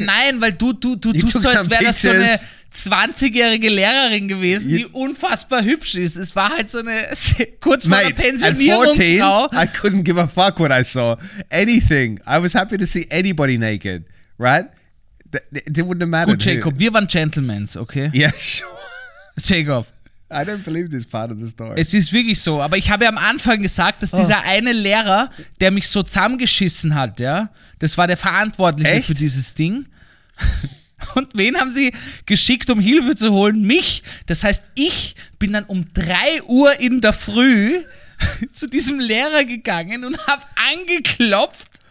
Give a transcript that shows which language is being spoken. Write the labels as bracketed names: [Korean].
[German] Nein, weil du tust so, als wäre das so eine 20-jährige Lehrerin gewesen, die unfassbar hübsch ist. Es war halt so eine kurz vor der Pensionierungsfrau. [English] I couldn't give a fuck what I saw. Anything. I was happy to see anybody naked, right? It wouldn't have mattered. [German] Gut, Jacob, wir waren Gentlemen, okay? [English] Yeah, sure. Jacob. I don't believe this part of the story. [German] Es ist wirklich so, aber ich habe ja am Anfang gesagt, dass dieser eine Lehrer, der mich so zusammengeschissen hat, ja, das war der Verantwortliche für dieses Ding. Und wen haben sie geschickt, um Hilfe zu holen? Mich. Das heißt, ich bin dann um 3 Uhr in der Früh zu diesem Lehrer gegangen und habe angeklopft.